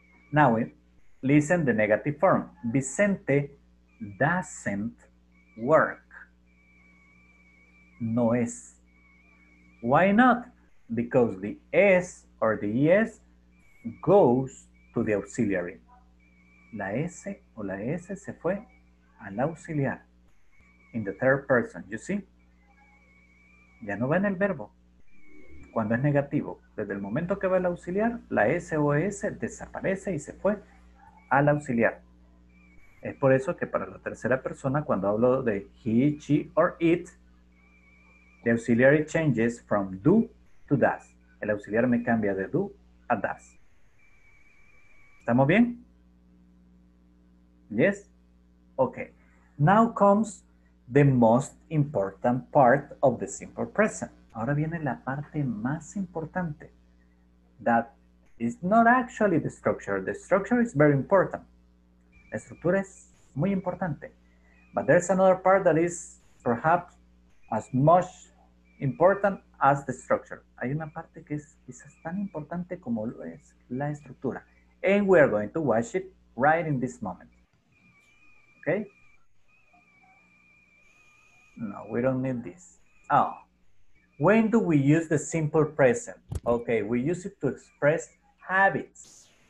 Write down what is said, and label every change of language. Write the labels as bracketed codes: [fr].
[en] Now, listen the negative form. Vicente doesn't work. No S. Why not? Because the S or the ES goes to the auxiliary. [es] La S o la S se fue al auxiliar. [en] In the third person, you see? [es] Ya no va en el verbo. Cuando es negativo, desde el momento que va el auxiliar, la S o S desaparece y se fue al auxiliar. Es por eso que para la tercera persona, cuando hablo de [en] he, she, or it, the auxiliary changes from do to does. [es] El auxiliar me cambia de do a does. ¿Estamos bien? [en] Yes? [es] Okay. [en] Now comes the most important part of the simple present. [es] Ahora viene la parte más importante. [en] That is not actually the structure. The structure is very important. [es] La estructura es muy importante. [en] But there's another part that is perhaps as much important as the structure. [es] Hay una parte que es quizás tan importante como lo es la estructura. [en] And we are going to watch it right in this moment. Okay? No, we don't need this. Oh, when do we use the simple present? Okay, we use it to express habits.